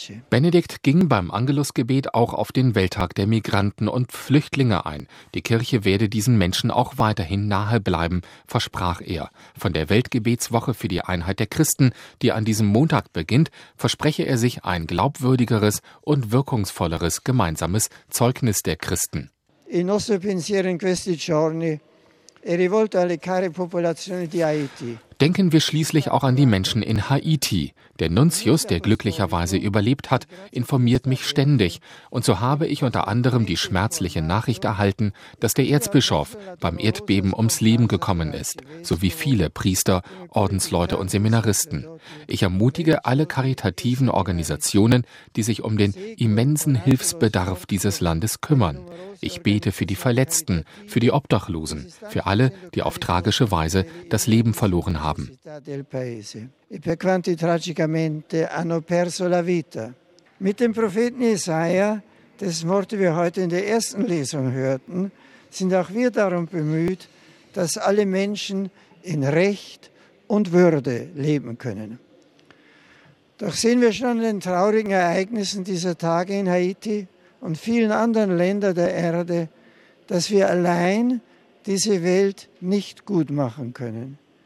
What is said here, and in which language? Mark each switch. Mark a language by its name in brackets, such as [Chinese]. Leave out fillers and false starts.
[German] Benedikt ging beim Angelusgebet auch auf den Welttag der Migranten und Flüchtlinge ein. Die Kirche werde diesen Menschen auch weiterhin nahe bleiben, versprach er. Von der Weltgebetswoche für die Einheit der Christen, die an diesem Montag beginnt, verspreche er sich ein glaubwürdigeres und wirkungsvolleres gemeinsames Zeugnis der Christen. [Italian] Il nostro pensiero in questi giorni è rivolto alle care popolazioni di Haiti. [German] Denken wir schließlich auch an die Menschen in Haiti. Der Nuntius, der glücklicherweise überlebt hat, informiert mich ständig. Und so habe ich unter anderem die schmerzliche Nachricht erhalten, dass der Erzbischof beim Erdbeben ums Leben gekommen ist, sowie viele Priester, Ordensleute und Seminaristen. Ich ermutige alle karitativen Organisationen, die sich um den immensen Hilfsbedarf dieses Landes kümmern. Ich bete für die Verletzten, für die Obdachlosen, für alle, die auf tragische Weise das Leben verloren haben. [Italian] E per quanti tragicamente hanno perso la vita. [German] Mit dem Propheten Jesaja, dessen Worte wir heute in der ersten Lesung hörten, sind auch wir darum bemüht, dass alle Menschen in Recht und Würde leben können. Doch sehen wir schon an den traurigen Ereignissen dieser Tage in Haiti und vielen anderen Ländern der Erde, dass wir allein diese Welt nicht gut machen können.